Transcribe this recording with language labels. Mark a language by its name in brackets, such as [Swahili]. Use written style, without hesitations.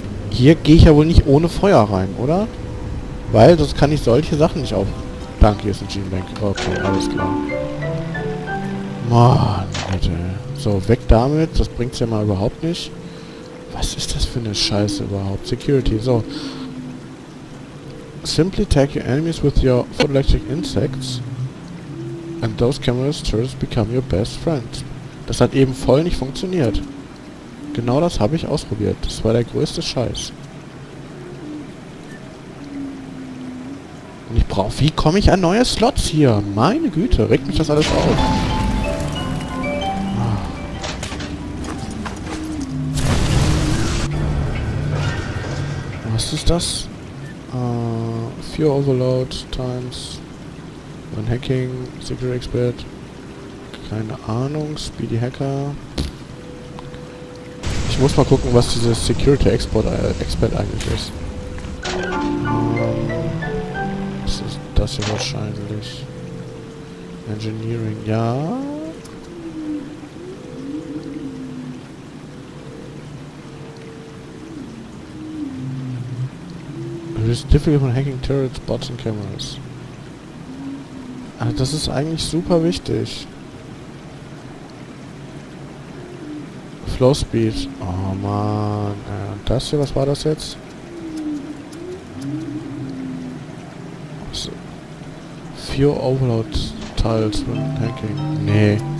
[German] Hier gehe ich ja wohl nicht ohne Feuer rein, oder? Weil sonst kann ich solche Sachen nicht auf... Danke, hier ist ein Genebank. Okay, alles klar. Mann, Leute. So, weg damit. Das bringt's ja mal überhaupt nicht. Was ist das für eine Scheiße überhaupt? Security, so. [English] Simply tag your enemies with your photoelectric insects. And those cameras turrets become your best friends. [German] Das hat eben voll nicht funktioniert. Genau das habe ich ausprobiert. Das war der größte Scheiß. Und ich brauche... Wie komme ich an neue Slots hier? Meine Güte, regt mich das alles auf. Was ist das? Fuel Overload times One Hacking Security Expert. Keine Ahnung. Speedy Hacker. Ich muss mal gucken, was dieses Security Expert eigentlich ist. Was ist das hier wahrscheinlich? Engineering, ja. [English] It is difficult from hacking turrets, bots and cameras. [German] Also das ist eigentlich super wichtig. Flow speed. Oh man. Und das hier, was war das jetzt? [English] Fuel overload tiles when hacking. Nee.